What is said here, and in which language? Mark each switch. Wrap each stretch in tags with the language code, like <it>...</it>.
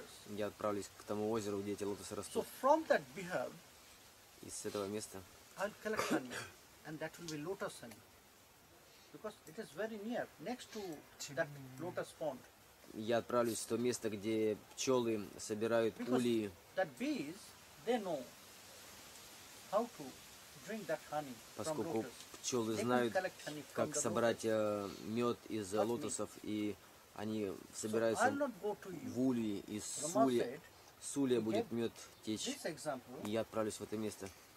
<ru>Я отправлюсь к тому озеру, где эти лотосы растут.</ru> <en>So from that beehive,</en> <ru>и с этого места</ru> <en>I'll collect honey, and that will be lotus honey, because it is very near, next to that lotus pond.</en> <ru>Я отправлюсь в то место, где пчелы собирают ульи.</ru> <en>That bees, they know how to drink that honey from lotus.</en> <ru>Пчелы знают, как собрать мед из лотосов и они собираются в ульи, и с улья будет мед течь, и я отправлюсь в это место.</ru>